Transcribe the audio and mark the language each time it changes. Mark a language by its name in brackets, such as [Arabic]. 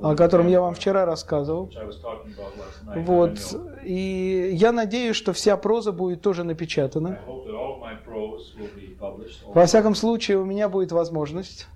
[Russian] о котором я вам вчера рассказывал. [English] Which I was talking about last night. [Russian] Вот. И я надеюсь, что вся проза будет тоже напечатана. [English] I hope that all my prose will be published. [Russian] Во всяком случае, у меня будет возможность